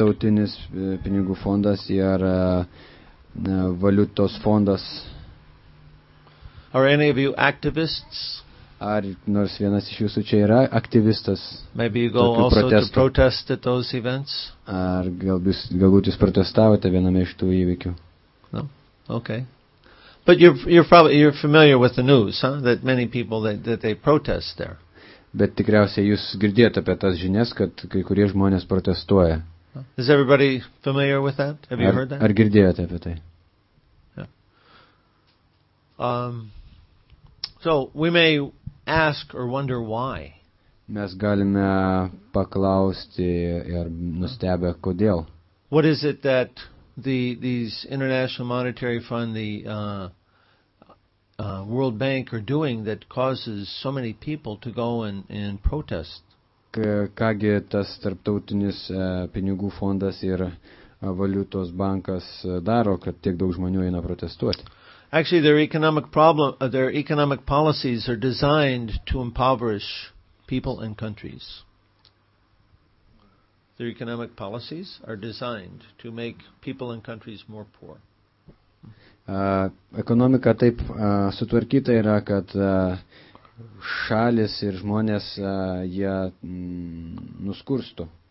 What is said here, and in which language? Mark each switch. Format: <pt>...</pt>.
<lt>Tarptautinis pinigų fondas ir valiutos fondas.</lt> <en>Are any of you activists?</en> <lt>Ar nors vienas iš jūsų čia yra aktyvistas?</lt> <en>Maybe you go also</en> <lt>protestų.</lt> <en>To protest at those events?</en> <lt>Ar galbūt jūs protestavote viename iš tų įvykių?</lt> <en>No. Okay. But you're probably familiar with the news, huh? That many people that they protest there.</en> <lt>Bet tikriausiai jūs girdėjote apie tas žinias, kad kai kurie žmonės protestuoja.</lt> <en>Is everybody familiar with that? Have you heard that?</en> <lt>Ar girdėjote apie tai?</lt> <en>So we may ask or wonder why.</en> <lt>Mes galime paklausti ir nustebę, kodėl.</lt> <en>What is it that these International Monetary Fund, the World Bank are doing that causes so many people to go and protest?</en> <lt>Kągi tas tarptautinis pinigų fondas ir valiutos bankas daro, kad tiek daug žmonių eina protestuoti?</lt> <en>Actually, their economic policies are designed to impoverish people and countries. their economic policies are designed to make people and countries more poor.</en> <lt>Ekonomika taip sutvarkyta yra, kad šalis ir žmonės jie nuskurstų.</lt>